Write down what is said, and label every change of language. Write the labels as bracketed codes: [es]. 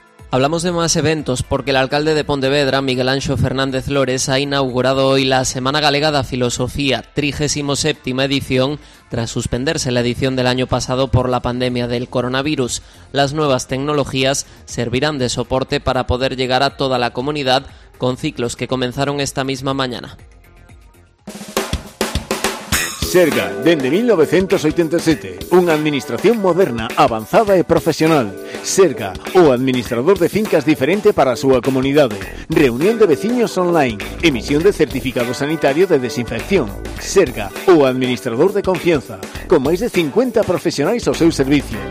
[es] Hablamos de más eventos porque el alcalde de Pontevedra, Miguel Anxo Fernández Lores, ha inaugurado hoy la Semana Galega da Filosofía, 37ª edición, tras suspenderse la edición del año pasado por la pandemia del coronavirus. Las nuevas tecnologías servirán de soporte para poder llegar a toda la comunidad con ciclos que comenzaron esta misma mañana. [gl] Serga, dende 1987, unha administración moderna, avanzada e profesional. Serga, o administrador de fincas diferente para a súa comunidade. Reunión de veciños online, emisión de certificado sanitario de desinfección. Serga, o administrador de confianza, con máis de 50 profesionais ao seu servicio.